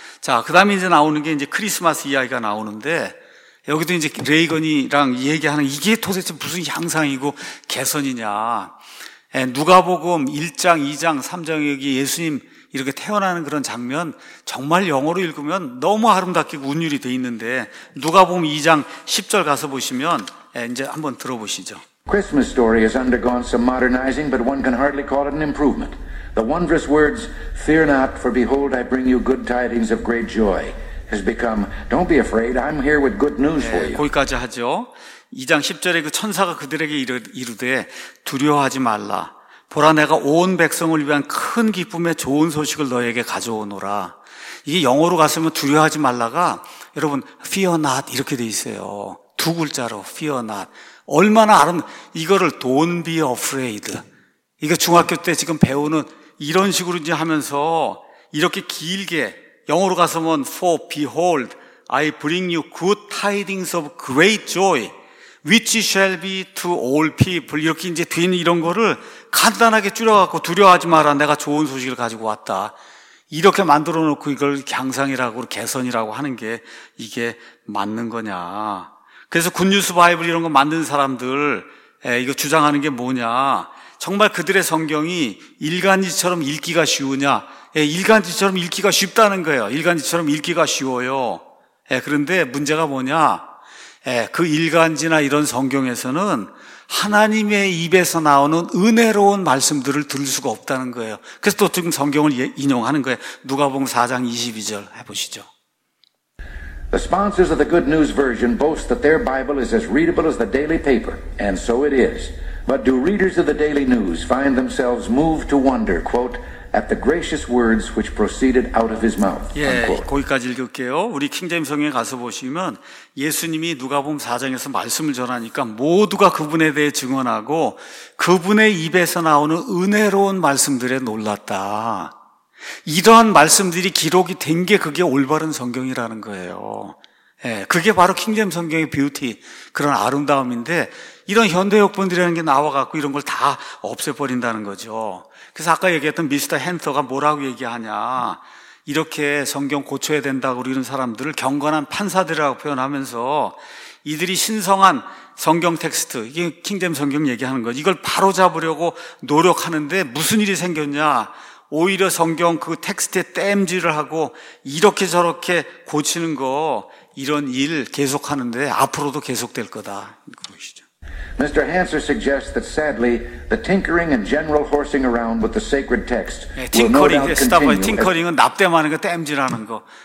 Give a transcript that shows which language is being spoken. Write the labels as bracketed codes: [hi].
[ko] 자, 그다음에 이제 나오는 게 이제 크리스마스 이야기가 나오는데 여기도 이제 레이건이랑 얘기하는 이게 도대체 무슨 향상이고 개선이냐. 누가복음 1장, 2장, 3장 여기 예수님 이렇게 태어나는 그런 장면 정말 영어로 읽으면 너무 아름답게 운율이 돼 있는데 누가복음 2장 10절 가서 보시면 이제 한번 들어보시죠. [en] Christmas story has undergone some modernizing but one can hardly call it an improvement. The wondrous words fear not for behold I bring you good tidings of great joy has become don't be afraid I'm here with good news for you. [ko] 거기까지 하죠. 2장 10절에 그 천사가 그들에게 이르되 두려워하지 말라 보라, 내가 온 백성을 위한 큰 기쁨의 좋은 소식을 너에게 가져오노라. 이게 영어로 갔으면 두려워하지 말라가, 여러분, [en] fear not [ko] 이렇게 돼 있어요. 두 글자로 [en] fear not. [ko] 얼마나 아름다운, 이거를 [en] don't be afraid. [ko] 이거 중학교 때 지금 배우는 이런 식으로 이제 하면서 이렇게 길게 영어로 가서면 [en] for behold, I bring you good tidings of great joy, which shall be to all people. [ko] 이렇게 이제 된 이런 거를 간단하게 줄여갖고 두려워하지 마라. 내가 좋은 소식을 가지고 왔다. 이렇게 만들어 놓고 이걸 향상이라고, 개선이라고 하는 게 이게 맞는 거냐. 그래서 굿뉴스 바이블 이런 거 만든 사람들, 이거 주장하는 게 뭐냐. 정말 그들의 성경이 일간지처럼 읽기가 쉬우냐. 일간지처럼 읽기가 쉽다는 거예요. 일간지처럼 읽기가 쉬워요. 그런데 문제가 뭐냐. 그 일간지나 이런 성경에서는 하나님의 입에서 나오는 은혜로운 말씀들을 들을 수가 없다는 거예요. 그래서 또 지금 성경을 인용하는 거예요. 누가복음 4장 22절 해보시죠. [en] The sponsors of the Good News Version boast that their Bible is as readable as the daily paper, and so it is. But do readers of the daily news find themselves moved to wonder, quote, at the gracious words which proceeded out of his mouth, unquote. [ko] 예, 거기까지 읽을게요. 우리 킹제임 성경에 가서 보시면 예수님이 누가복음 4장에서 말씀을 전하니까 모두가 그분에 대해 증언하고 그분의 입에서 나오는 은혜로운 말씀들에 놀랐다. 이러한 말씀들이 기록이 된 게 그게 올바른 성경이라는 거예요. 예, 그게 바로 킹제임 성경의 뷰티, 그런 아름다움인데 이런 현대역본들이라는 게 나와갖고 이런 걸 다 없애버린다는 거죠. 그래서 아까 얘기했던 미스터 헨터가 뭐라고 얘기하냐. 이렇게 성경 고쳐야 된다고 이런 사람들을 경건한 판사들이라고 표현하면서 이들이 신성한 성경 텍스트, 이게 킹제임 성경 얘기하는 거죠. 이걸 바로잡으려고 노력하는데 무슨 일이 생겼냐. 오히려 성경 그 텍스트에 땜질을 하고 이렇게 저렇게 고치는 거, 이런 일 계속하는데 앞으로도 계속될 거다. 보시죠. [en] Mr. Hanser suggests that sadly the tinkering and general horsing around with the sacred text. [ko] 네, 팅커링, 스타버, 팅커링은 납땜하는 거, 땜질하는 거.